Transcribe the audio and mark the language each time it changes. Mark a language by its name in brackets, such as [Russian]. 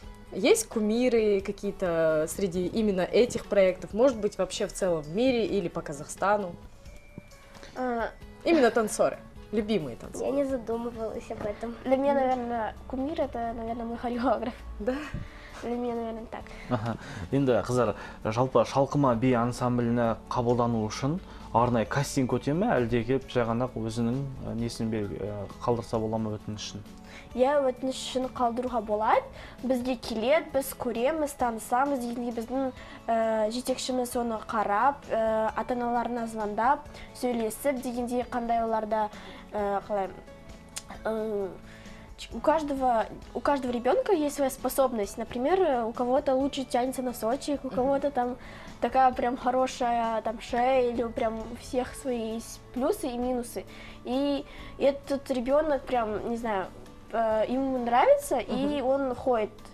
[Russian] Есть кумиры какие-то среди именно этих проектов? Может быть, вообще в целом в мире или по Казахстану? Именно танцоры, любимые танцоры. Я не задумывалась об этом. Для меня, наверное, кумир – это, наверное, мой хореограф. Да? Для меня, наверное, так. Ага. [Kazakh] Енді, қызар, жалпы, шалқыма би ансамбліне қабылдану үшін арнай кастинг өте ме, әлде келіп жағанақ өзінің несін қалдырса бола ма өтінішін? Иә, өтінішін қалдыруға болады. Бізге келеді, біз көреміз, танысамыз. Енді біздің жетекшіміз оны қарап, ата-аналарына звондап, сөйлесіп, дегенде қандай оларда, қалай, [Russian] У каждого ребенка есть своя способность. Например, у кого-то лучше тянется носочек, у кого-то там такая прям хорошая там шея, или прям у всех свои есть плюсы и минусы. И этот ребенок прям, не знаю, ему нравится, и он ходит.